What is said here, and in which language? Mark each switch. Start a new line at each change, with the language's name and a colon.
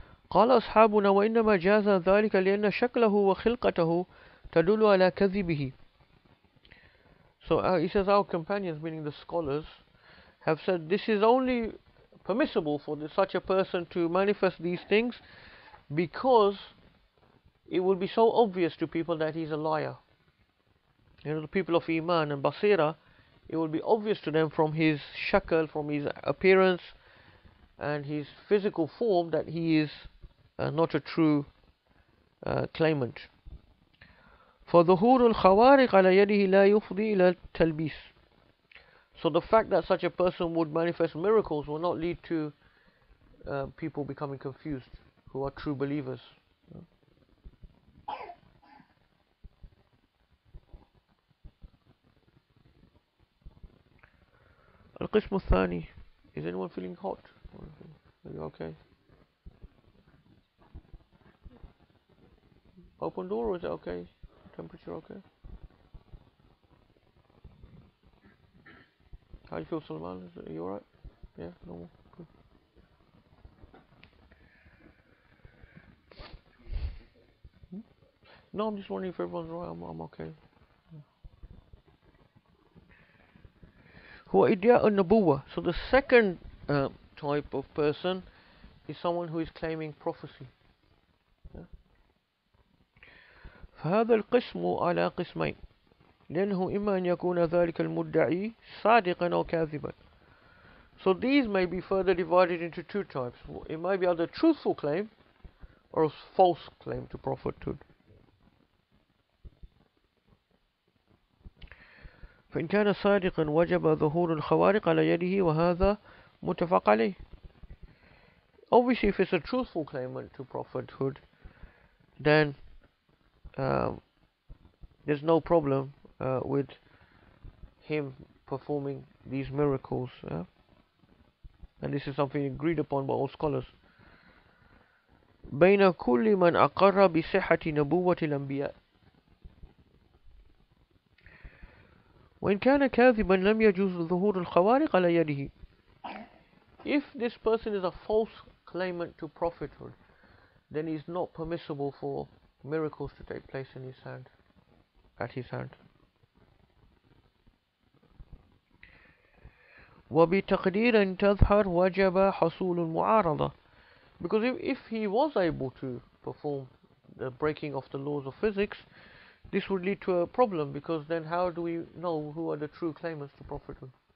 Arabic: قال أصحابنا وإنما جاز ذلك لأن شكله وخلقته تدل على كذبه.
English: So he says our companions, meaning the scholars, have said this is only permissible for such a person to manifest these things because it will be so obvious to people that he's a liar. You know, the people of Iman and Basira, it will be obvious to them from his shakal, from his appearance and his physical form that he is not a true claimant.
Arabic: For ظهور الخوارق على يده لا يفضي إلى التلبيس.
English: So the fact that such a person would manifest miracles will not lead to people becoming confused who are true believers.
Arabic: Al-Qism al-Thani.
English: Is anyone feeling hot? Are you okay? Open door or is it okay? Temperature okay? How do you feel, Salman? Are you alright? Yeah, normal. Good. No, I'm just wondering if everyone's right. I'm okay.
Arabic: Huwa idya'un nubuwwah.
English: So the second type of person is someone who is claiming prophecy.
Arabic: فهذا القسم على قسمين لأنه إما أن يكون ذلك المدعي صادقا أو كاذبا.
English: So these may be further divided into two types. It may be either truthful claim or a false claim to prophethood.
Arabic: فإن كان صادقا وجب ظهور الخوارق على يده وهذا متفق عليه.
English: Obviously, if it's a truthful claimant to prophethood, then there's no problem with him performing these miracles. And this is something agreed upon by all scholars.
Arabic: بين كل من أقر بصحة نبوة الأنبياء. وإن كان كاذبا لم يجوز ظهور الخوارق على يده.
English: If this person is a false claimant to prophethood, then it's not permissible for miracles to take place in his hand, at his hand.
Arabic: وبتقدير أن تظهر وجب حصول المعارضة.
English: Because if he was able to perform the breaking of the laws of physics, this would lead to a problem, because then how do we know who are the true claimants to prophethood?